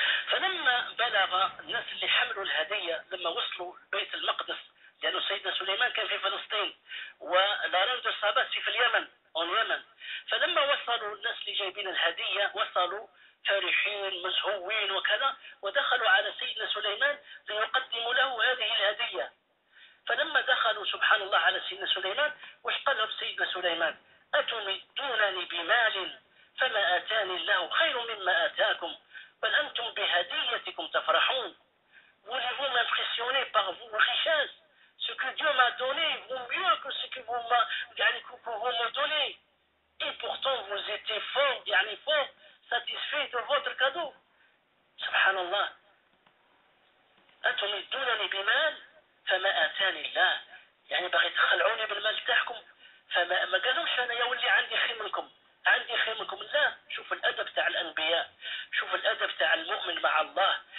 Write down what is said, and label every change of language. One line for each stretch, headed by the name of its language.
Arabic: فلما بلغ الناس اللي حملوا الهدية لما وصلوا بيت المقدس لأنه سيدنا سليمان كان في فلسطين ولارندو الصاباسي في اليمن أون يمن، فلما وصلوا الناس اللي جايبين الهدية وصلوا فرحين مزهوين وكذا ودخلوا على سيدنا سليمان ليقدموا له هذه الهدية. فلما دخلوا سبحان الله على سيدنا سليمان وش قال سيدنا سليمان؟ أتمدونني بمال فما آتاني الله خير مما آتاكم بل أنتم بهديتكم تفرحون.
French: Voulez-vous m'impressionner par vos richesses? Ce que Dieu m'a donné vaut mieux que ce que vous m'avez donné. Et pourtant vous étiez fort, يعني fort satisfait de votre cadeau.
Arabic: سبحان الله. أتمدونني بمال فما آتاني الله يعني بغي تخلعوني بالمال تاعكم فما ما قالوش أنا يا ولي عندي خير منكم. لا، شوف الأدب تاع الأنبياء، شوف الأدب تاع المؤمن مع الله.